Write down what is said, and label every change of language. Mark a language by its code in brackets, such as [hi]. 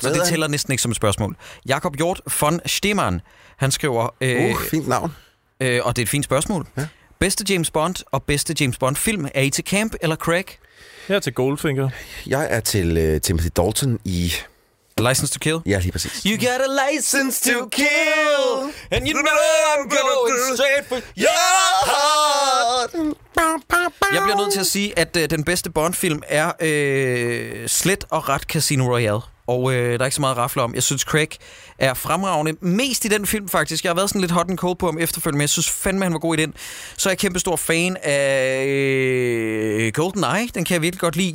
[da] Så det tæller næsten ikke som et spørgsmål. Jakob Hjort von Stemann, han skriver... Fint navn. Og det er et fint spørgsmål. Ja. Bedste James Bond og bedste James Bond-film, er I til Camp eller Craig? Jeg er til Goldfinger. Jeg er til Timothy Dalton i... A License to Kill? Ja, lige præcis. [en] You got a license to kill, and you know I'm going straight for your heart. [da] Jeg bliver nødt til at sige, at den bedste Bond-film er slet og ret Casino Royale. Og der er ikke så meget at rafle om. Jeg synes, Craig er fremragende. Mest i den film, faktisk. Jeg har været sådan lidt [en] hot and cold [da] på ham efterfølgende, men jeg synes fandme, han var god i den. Så er jeg kæmpestor fan af GoldenEye. Den kan jeg virkelig godt lide.